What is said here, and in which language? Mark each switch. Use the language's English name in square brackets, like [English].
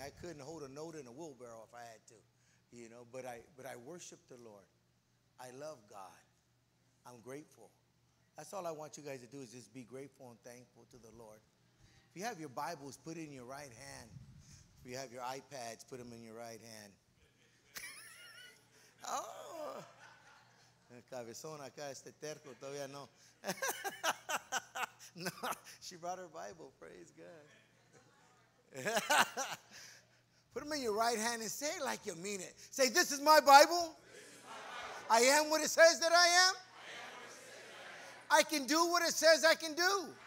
[English] I couldn't hold a note in a wheelbarrow if I had to, you know, but I worship the Lord. I love God. I'm grateful. That's all I want you guys to do, is just be grateful and thankful to the Lord. If you have your Bibles, put it in your right hand. If you have your iPads, put them in your right hand. [Spanish] Oh, cabezón acá, este terco, todavía no. [English] No, she brought her Bible, praise God. Put them in your right hand and say it like you mean it. Say, this is my Bible. I am what it says that I am. I can do what it says I can do.